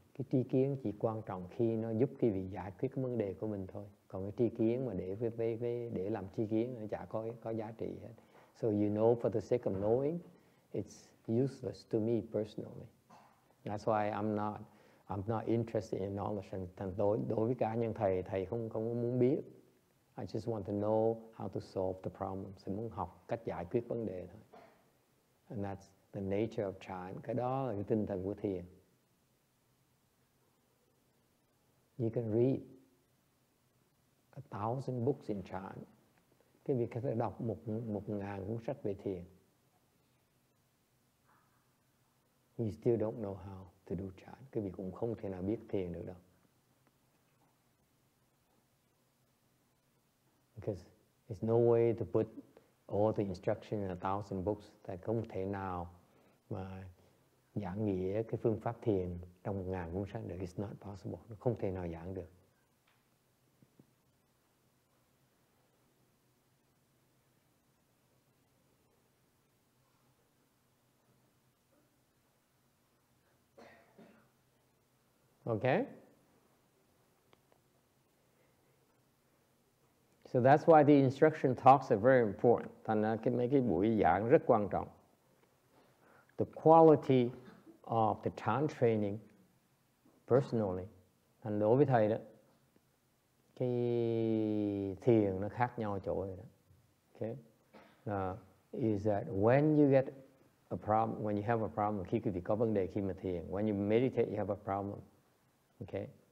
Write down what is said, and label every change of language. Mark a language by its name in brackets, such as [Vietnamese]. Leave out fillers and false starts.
[Vietnamese] Cái tri kiến chỉ quan trọng khi nó giúp cái vị giải quyết cái vấn đề của mình thôi. Còn cái tri kiến mà để làm tri kiến nó chả có giá trị hết. [English] So you know for the sake of knowing, it's useless to me personally. That's why I'm not interested in knowledge. [Vietnamese] And đối với cá nhân thầy không muốn biết. [English] I just want to know how to solve the problem. [Vietnamese] Thầy muốn học cách giải quyết vấn đề thôi. [English] And that's the nature of chán. [Vietnamese] Cái đó là cái tinh thần của thiền. [English] You can read 1,000 books in chán. [Vietnamese] Cái việc có thể đọc 1,000 cuốn sách về thiền. [English] You still don't know how to do chán. [Vietnamese] Cái việc cũng không thể nào biết thiền được đâu. [English] Because there's no way to put all the instruction in 1,000 books. [Vietnamese] Tại không thể nào mà giảng nghĩa cái phương pháp thiền trong 1,000 cuốn sách được. [English] It's not possible. [Vietnamese] Không thể nào giảng được. [English] Okay? So that's why the instruction talks are very important. [Vietnamese] Thành ra mấy cái buổi giảng rất quan trọng. [English] The quality of the chán training personally. [Vietnamese] Thành đối với thầy đó, cái thiền nó khác nhau chỗ rồi đó. [English] Okay? Is that when you get a problem, when you have a problem, [Vietnamese] khi quý vị có vấn đề khi mà thiền, [English] when you meditate, you have a problem. Okay.